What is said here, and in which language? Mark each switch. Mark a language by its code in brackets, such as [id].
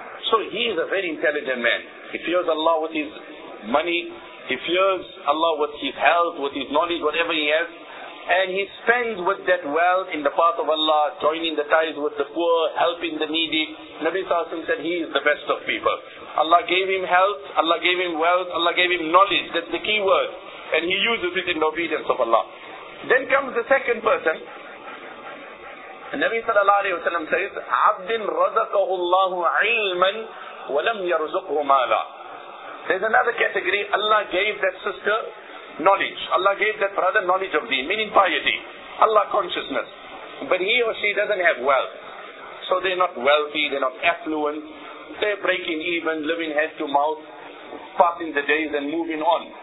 [en] So he is a very intelligent man. He fears Allah with his money, he fears Allah with his health, with his knowledge, whatever he has, and he spends with that wealth in the path of Allah, joining the ties with the poor, helping the needy. Nabi Sallallahu Alaihi Wasallam said he is the best of people. Allah gave him health, Allah gave him wealth, Allah gave him knowledge, that's the key word. And he uses it in obedience of Allah. Then comes the second person. Nabi Sallallahu Alaihi Wasallam says, [ar] عَبْدٍ رَزَقَهُ اللَّهُ عِلْمًا وَلَمْ يَرْزُقْهُ مَالًا. [en] There's another category, Allah gave that sister knowledge. Allah gave that brother knowledge of deen, meaning piety, Allah consciousness. But he or she doesn't have wealth. So they're not wealthy, they're not affluent. They're breaking even, living head to mouth, passing the days and moving on.